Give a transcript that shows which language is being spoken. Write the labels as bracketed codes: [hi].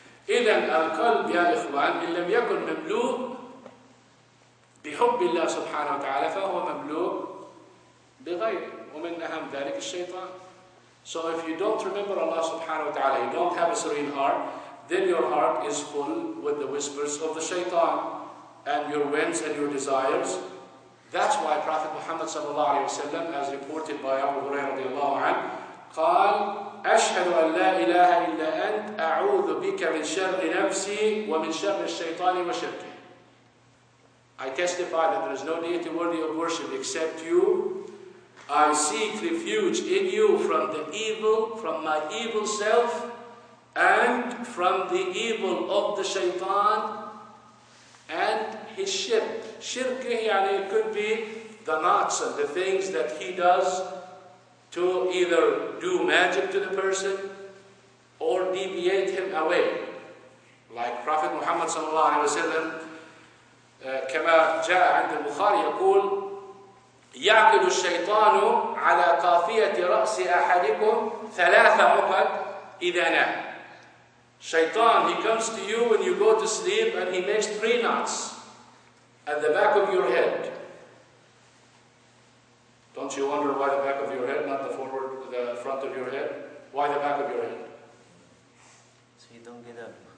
[ar] إذن القلب يا إخوان إن لم يكن مملوء بحب الله سبحانه وتعالى فهو مملوء بغيره ومن أهم ذلك الشيطان. [en] So if you don't remember Allah سبحانه وتعالى, you don't have a serene heart, then your heart is full with the whispers of the shaitan and your whims and your desires. That's why Prophet Muhammad صلى الله عليه وسلم, as reported by Abu Hurairah رضي الله عنه, قال [ar] أشهد أن لا إله إلا أنت أعوذ بك من شر نفسي ومن شر الشيطان وشركه. [en] I testify that there is no deity worthy of worship except you. I seek refuge in you from the evil, from my evil self, and from the evil of the shaitan and his shirk. Shirkih, يعني it could be the knots and the things that he does to either do magic to the person or deviate him away. Like Prophet Muhammad [ar] sallallahu alayhi wa sallam, كما جاء عند البخاري يقول يعقد الشيطان على قافية رأس أحدكم ثلاثة عقد إذا نام. [en] Shaitan, he comes to you when you go to sleep and he makes three knots at the back of your head. Don't you wonder why the back of your head, not the forward, the front of your head? Why the back of your head? So you don't get up.